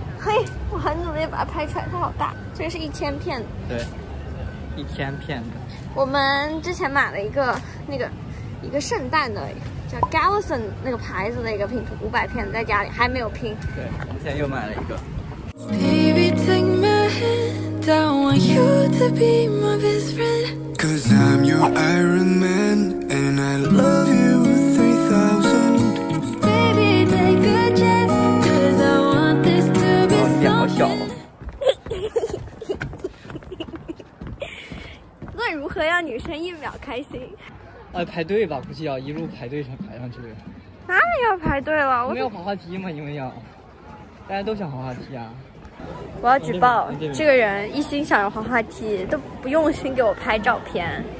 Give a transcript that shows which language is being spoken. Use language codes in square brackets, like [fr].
[zh] 嘿，我很努力把它拍出来，它好大，这是一千片。对，一千片的。我们之前买了一个那个一个圣诞的叫 Galison 那个牌子的一个拼图，500片，在家里还没有拼。对，我们现在又买了一个。 [en] Baby take my hand, I want you to be my best friend. Cause I'm your Iron Man, and I love you with 3000. Baby take a chance, cause I want this to be something. [zh] 那如何让女生一秒开心？排队吧，估计要一路排队上排上去。哪里要排队了？没有滑滑梯吗？因为要，大家都想滑滑梯啊。我要举报这个人，一心想着滑滑梯，都不用心给我拍照片。